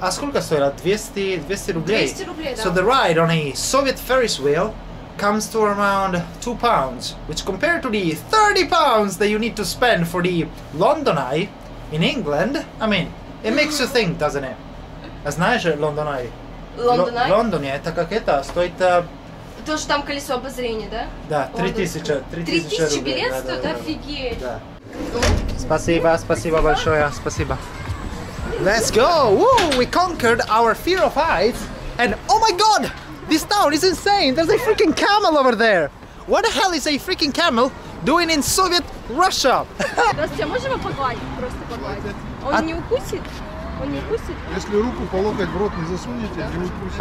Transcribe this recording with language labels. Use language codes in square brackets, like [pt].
[ru] А сколько стоило? 200 рублей? 200 рублей, да. [en] So the ride on a Soviet Ferris wheel comes to around £2, which compared to the £30 that you need to spend for the London Eye in England, I mean, it makes you think, doesn't it? [ru] Знаешь, London Eye? London Eye? Это как это? Стоит... То, что там колесо обозрения, да? Да, 3000 рублей. 3000 билет стоит? Офигеть! Да. Спасибо большое, спасибо. [en] Let's go! Woo! We conquered our fear of heights. And oh my god! This town is insane! There's a freaking camel over there! What the hell is a freaking camel doing in Soviet Russia? [ru] Здравствуйте, можем его погладить? Просто погладить? Он не укусит? Он не укусит? Если руку по локоть в рот не засунете, не укусит.